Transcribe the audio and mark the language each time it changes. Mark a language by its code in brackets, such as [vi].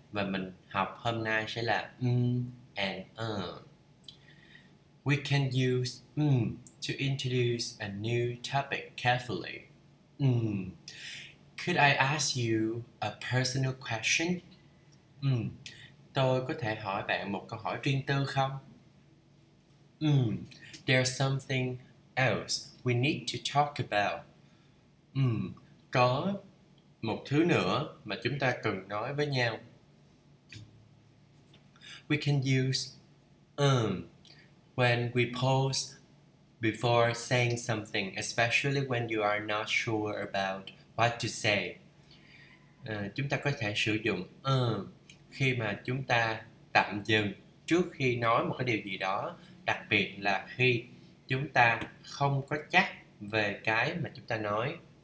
[vi] Và mình học hôm nay sẽ là [en] We can use to introduce a new topic carefully. Could I ask you a personal question? [vi] Tôi có thể hỏi bạn một câu hỏi riêng tư không? [en] There's something else we need to talk about. [vi] Có một thứ nữa mà chúng ta cần nói với nhau. [en] We can use when we pause before saying something, especially when you are not sure about what to say. [vi] Chúng ta có thể sử dụng khi mà chúng ta tạm dừng trước khi nói một cái điều gì đó, đặc biệt là khi chúng ta không có chắc về cái mà chúng ta nói.